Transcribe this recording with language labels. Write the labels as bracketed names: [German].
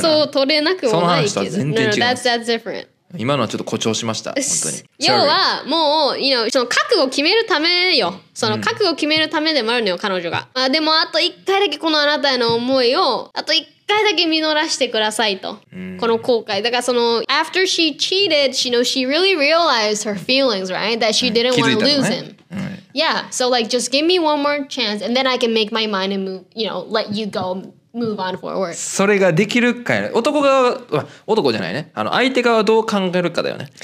[Japanese] そう、取れなくもないけど。その話とは全然違う。 [English] That's different. [Japanese] 今のはちょっと誇張しました。本当に。要は、もう、you know、その覚悟を決めるためよ。その覚悟を決めるためでもあるのよ、彼女が。まあでも、あと一回だけこのあなたへの思いを、あと一回。一回だけ実らしてくださいと、うん、この後悔だからその [English] after she cheated she know she really realized her feelings right that she didn't、 [Japanese] はい、 [English] want to lose him、 [Japanese] はい、 [English] yeah so like just give me one more chance and then I can make my mind and move you know let you go move on forward. [Japanese] それができるかや、ね、男が、男じゃないね、あの相手側どう考えるかだよね。